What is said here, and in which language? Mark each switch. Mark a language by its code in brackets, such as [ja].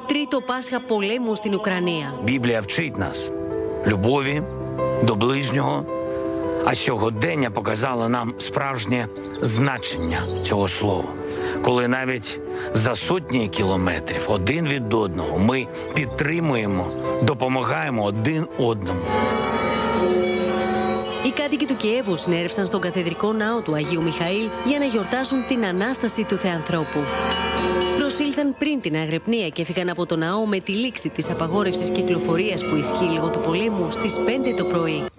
[el] Το Πάσχα πολέμου στην Ουκρανία. [uk] Библия вчить нас любові до ближнього, а сьогодення показало нам справжнє значення цього слова. Коли навіть за сотні кілометрів один від одного ми підтримуємо, допомагаємо один одному. [el] Οι κάτοικοι του Κιέβου συνέρευσαν στον καθεδρικό ναό του Αγίου Μιχαήλ για να γιορτάσουν την Ανάσταση του Θεανθρώπου. Προσήλθαν πριν την αγρυπνία και έφυγαν από το ναό με τη λήξη της απαγόρευσης κυκλοφορίας που ισχύει λόγω του πολέμου στις 5 το πρωί.